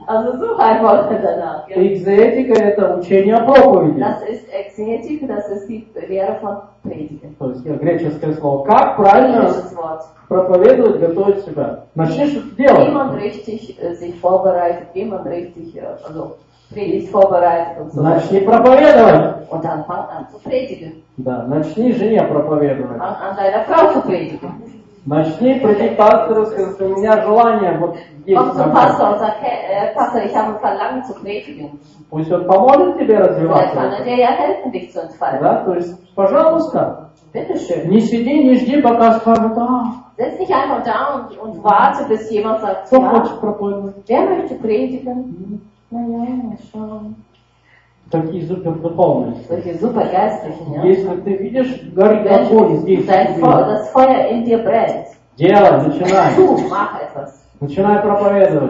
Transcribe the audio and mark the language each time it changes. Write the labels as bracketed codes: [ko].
[ru] Экзоэтика это учение о проповеди. [de] Das ist Exegetik, das ist die Lehre von Predigen. [ru] То есть греческое слово. Как правильно проповедовать, готовить себя? Начни что-то делать. [de] Wie man richtig sich vorbereitet, wie man richtig Predigt vorbereitet und so. [ru] Начни проповедовать. [de] Und dann fang an zu predigen. [ru] Да, начни жене проповедовать. [de] An deiner Frau zu predigen. [ru] Начни прийти к пастору, скажи, у меня желание вот есть. [de] Komm zum Pastor und sag, Pastor, ich habe Verlangen zu predigen. [ru] Пусть он поможет тебе развиваться. [de] Vielleicht kann er dir ja helfen, dich zu entfalten. [ru] Да, то есть, пожалуйста. [de] Bitte schön. [ru] Не сиди, не жди, пока скажут, а. [de] Setz dich einfach da und warte, bis jemand sagt, [ru] кто хочет проповедовать? [de] Wer möchte predigen? Naja, mal schauen. [ru] Такие супер духовные. Такие супер гайстрихи. Если ты видишь, горит огонь здесь. [de] Das Feuer in dir brennt. [ru] Делай, начинай. [de] Mach etwas. [ru] Начинай проповедовать.